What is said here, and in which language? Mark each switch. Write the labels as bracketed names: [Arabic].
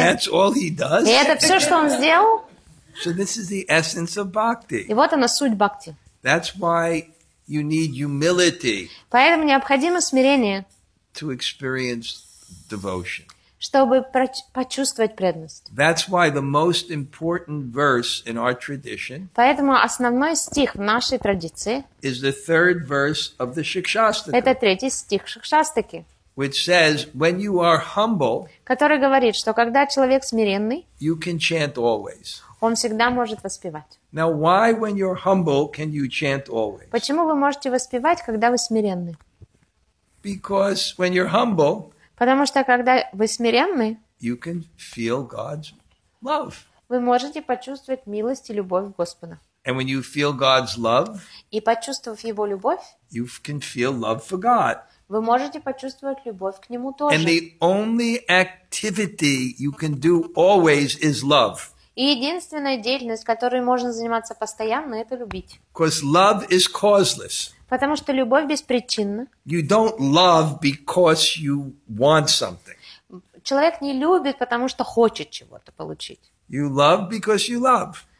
[English] And that's all he does? [Russian] И это все, что он сделал? [English] So this is the essence of bhakti. [Russian] И вот она, суть бхакти. [English] That's why you need humility. [Russian] Поэтому необходимо смирение. [English] To experience devotion. [Russian] Чтобы почувствовать преданность. [English] That's why the most important verse in our tradition. [Russian] Поэтому основной стих в нашей традиции. [English] Is the third verse of the Шикшастака. [Russian] Это третий стих Шикшастаки. [English] Which says, when you are humble. [Russian] Который говорит, что когда человек смиренный. [English] You can chant always. [Russian] Он всегда может воспевать. [English] Now, why, when you're humble, can you chant always? [Russian] Почему вы можете воспевать, когда вы смиренны? [English] Because when you're humble. [Russian] Потому что когда вы смиренны, [English] you can feel God's love. [Russian] Вы можете почувствовать милость и любовь Господа. [English] And when you feel God's love, [Russian] и почувствовав Его любовь, [English] you can feel love for God. [Russian] Вы можете почувствовать любовь к Нему тоже. [English] And the only activity you can do always is love. [Russian] И единственная деятельность, которой можно заниматься постоянно, это любить. [English] Because love is causeless. [Russian] Потому что любовь беспричинна. [English] You don't love because you want something. [Russian] Человек не любит, потому что хочет чего-то получить. [English] You love because you love.